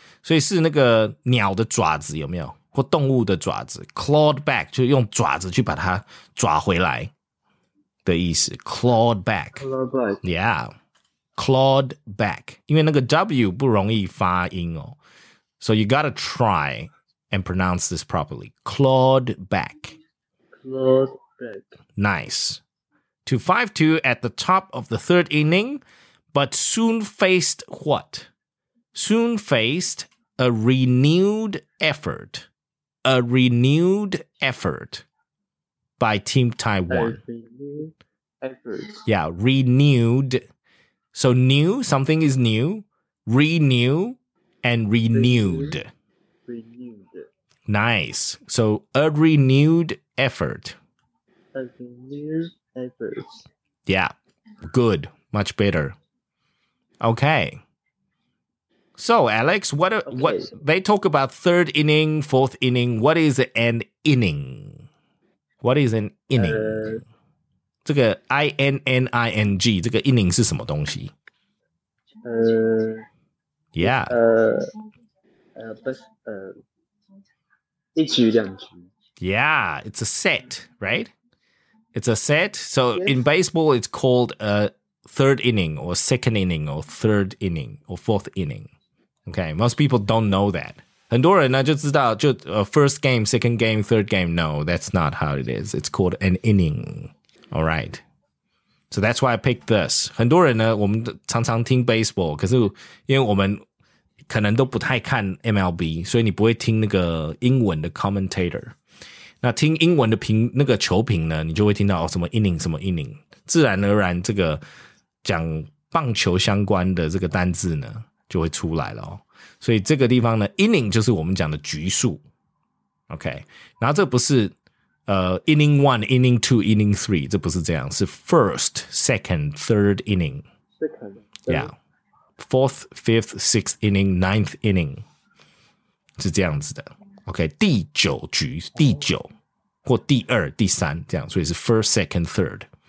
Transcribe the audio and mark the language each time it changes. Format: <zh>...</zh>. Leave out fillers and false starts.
<zh>所以是那个鸟的爪子有没有？或动物的爪子。</zh> <en>Clawed back,</en> <zh>就用爪子去把它抓回来的意思。</zh> <en>Clawed back. Clawed back. Yeah. Clawed back.</en> <zh>因为那个 W 不容易发音哦。</zh> <en>So you gotta try and pronounce this properly. Clawed back. Clawed back. Nice. To 5-2 at the top of the third inning, but soon faced what? Soon faced a renewed effort. A renewed effort by Team Taiwan. A renewed effort. Yeah, renewed. So new, something is new. Renew. And renewed. Renewed. Nice. So a renewed effort. A renewed effort. Yeah. Good. Much better. Okay. So, Alex, what they talk about third inning, fourth inning. What is an inning? What is an inning?</en> <zh>这个 I-N-N-I-N-G, 这个 inning 是什么东西?</zh> <en>Yeah.</en> <zh>But 一局两局.</zh> <en>Yeah, it's a set, right? It's a set. So yes. In baseball, it's called a third inning or second inning or third inning or fourth inning. Okay, most people don't know that.</en> <zh>很多人呢就知道就</zh> <en>first game, second game, third game. No, that's not how it is. It's called an inning. All right. So that's why I picked this.</en> <zh>很多人呢，我们常常听 baseball， 可是因为我们可能都不太看 MLB， 所以你不会听那个英文的 commentator。那听英文的评那个球评呢，你就会听到、哦、什么 inning 什么 inning， 自然而然这个讲棒球相关的这个单字呢就会出来了、哦。所以这个地方呢 ，inning 就是我们讲的局数。 OK， 然后这不是。</zh> <en>Inning 1, inning 2, inning 3,</en> <zh>这不是这样，是</zh> <en>first, second, third inning. Second. Yeah. Fourth, fifth, sixth inning, ninth inning.</en> <zh>是这样子的。 OK, 第九局,第九,或第二,第三,这样,所以是</zh> <en>first, second, third.</en>